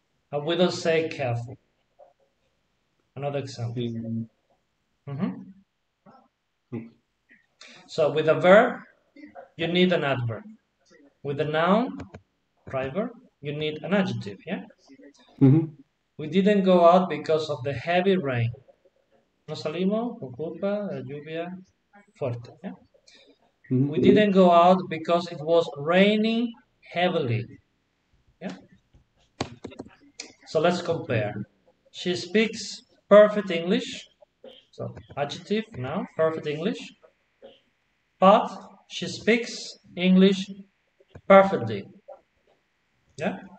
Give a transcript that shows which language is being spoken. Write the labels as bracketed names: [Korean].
[English] And we don't say careful. Another example. So, with a verb, you need an adverb. With a noun, driver, you need an adjective, yeah? We didn't go out because of the heavy rain. [Spanish] No salimos por culpa de lluvia fuerte, yeah? [English] We didn't go out because it was raining heavily. So let's compare. She speaks perfect English. So adjective now, perfect English. But she speaks English perfectly. Yeah?